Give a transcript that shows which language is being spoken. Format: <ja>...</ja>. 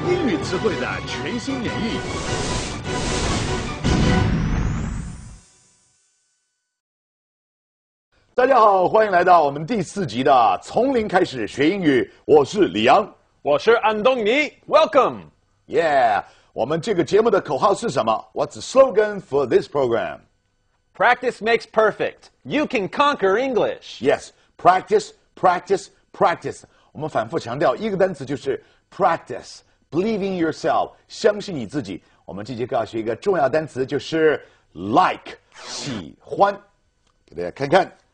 <zh>英语词汇的全新演绎。大家好，欢迎来到我们第四集的从零开始学英语。我是李阳，我是安东尼 ，</zh> <en>Welcome， Yeah，</en> <zh>我们这个节目的口号是什么</zh> <en>？What's the slogan for this program？ Practice makes perfect. You can conquer English. Yes， practice， practice， practice。</en> <zh>我们反复强调一个单词就是 practice，</zh> <en>believe in yourself，</en> <zh>相信你自己。我们这节课要学一个重要单词就是 like， 喜欢。给大家看看。</zh>